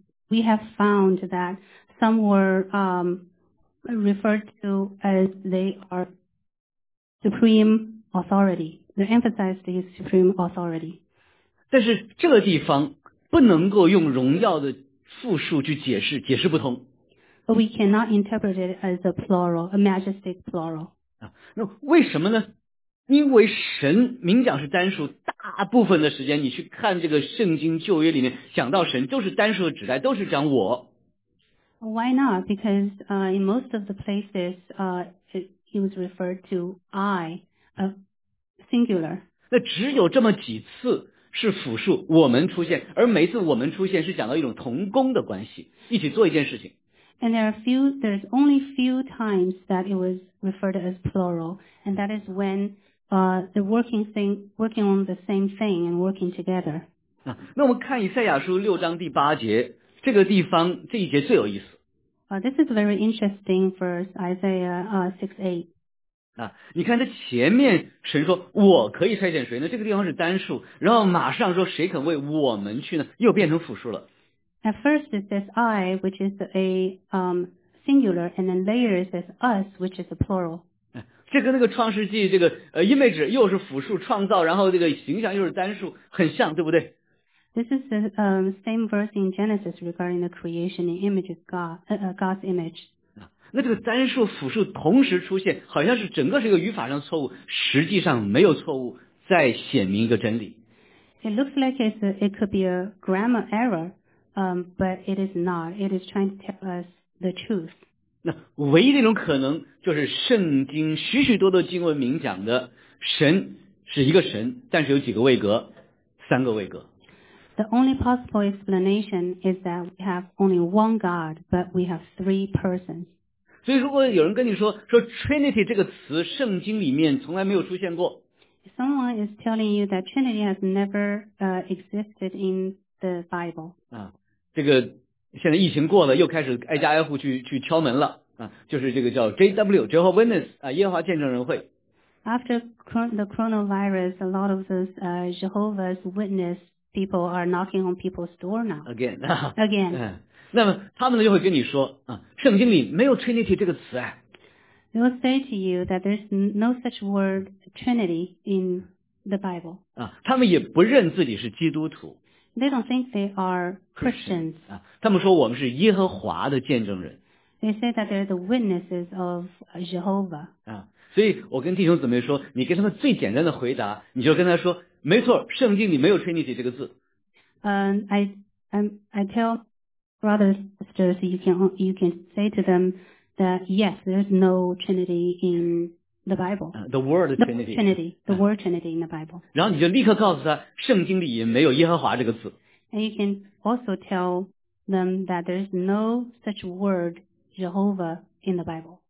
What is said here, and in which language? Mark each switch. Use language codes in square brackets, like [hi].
[en] We have found that some were referred to as they are. Supreme authority. They emphasized his supreme authority. [zh] 但是这个地方不能够用荣耀的复数去解释，解释不通。 [en] But we cannot interpret it as a plural, a majestic plural. [zh] 啊，那为什么呢？因为神明讲是单数，大部分的时间你去看这个圣经旧约里面讲到神都是单数的指代，都是讲我。 [en] Why not? Because in most of the places, He was referred to I, a singular. [zh] 那只有这么几次是复数，我们出现，而每次我们出现是讲到一种同工的关系，一起做一件事情。 [en] And there's only few times that it was referred as plural, and that is when working on the same thing and working together. [zh] 啊，那我们看以赛亚书六章第八节，这个地方这一节最有意思。 [en] This is a very interesting verse, Isaiah 6:8. [zh] 啊，你看他前面神说我可以筛选谁呢？这个地方是单数，然后马上说谁肯为我们去呢？又变成复数了。 [en] At first it says I, which is a singular, and then later it says us, which is a plural. [zh] 这跟那个创世纪这个image 又是复数创造，然后这个形象又是单数，很像，对不对？ [en] This is the same verse in Genesis regarding the creation and image of God's image. [zh] 那这个单数复数同时出现，好像是整个是一个语法上错误，实际上没有错误，再显明一个真理。 [en] It looks like it could be a grammar error, but it is not. It is trying to tell us the truth. [zh] 那唯一的一种可能就是圣经许许多多经文明讲的神是一个神，但是有几个位格，三个位格。 [en] The only possible explanation is that we have only one God, but we have three persons. [zh] 所以如果有人跟你说 Trinity 这个词圣经里面从来没有出现过。 [en] If someone is telling you that Trinity has never existed in the Bible. [zh] 啊，这个现在疫情过了，又开始挨家挨户去敲门了啊，就是这个叫 JW, Jehovah's Witness, 啊，耶和华见证人会。 [en] After the coronavirus, a lot of those Jehovah's Witness people are knocking on people's door now. Again.、 [zh] 那么他们就会跟你说、圣经里没有 Trinity 这个词、 [en] They will say to you that there's no such word Trinity in the Bible.、 [zh] 他们也不认自己是基督徒。 [en] They don't think they are Christians. [zh] 他们说我们是耶和华的见证人。 [en] They say that they're the witnesses of Jehovah. [zh] 所以我跟弟兄姊妹说，你跟他们最简单的回答，你就跟他说，没错，圣经里没有 Trinity 这个字。 [en] I tell brothers and sisters, you can say to them that yes, there's no Trinity in the Bible. The word Trinity. The word Trinity in the Bible. [zh] 然后你就立刻告诉他，圣经里也没有耶和华这个字。 [en] And you can also tell them that there's no such word Jehovah in the Bible.